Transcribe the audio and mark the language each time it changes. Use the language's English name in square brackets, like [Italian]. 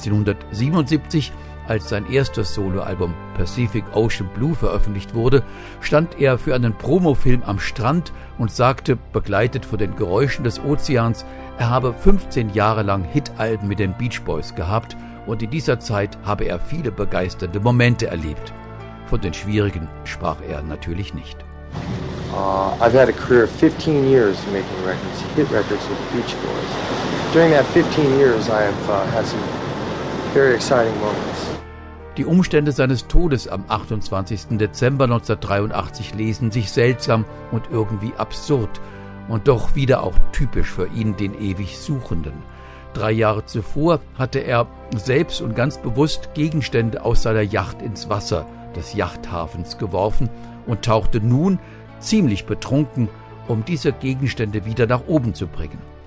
[German] 1977, als sein erstes Soloalbum Pacific Ocean Blue veröffentlicht wurde, stand er für einen Promofilm am Strand und sagte, begleitet von den Geräuschen des Ozeans, er habe 15 Jahre lang Hitalben mit den Beach Boys gehabt. Und in dieser Zeit habe er viele begeisternde Momente erlebt. Von den schwierigen sprach er natürlich nicht. [English] I've had a career of 15 years making records, hit records with the Beach Boys. During that 15 years I have had some very exciting moments. [German] Die Umstände seines Todes am 28. Dezember 1983 lesen sich seltsam und irgendwie absurd und doch wieder auch typisch für ihn, den ewig Suchenden. 3 Jahre zuvor hatte er selbst und ganz bewusst Gegenstände aus seiner Yacht ins Wasser des Yachthafens geworfen und tauchte nun ziemlich betrunken, um diese Gegenstände wieder nach oben zu bringen.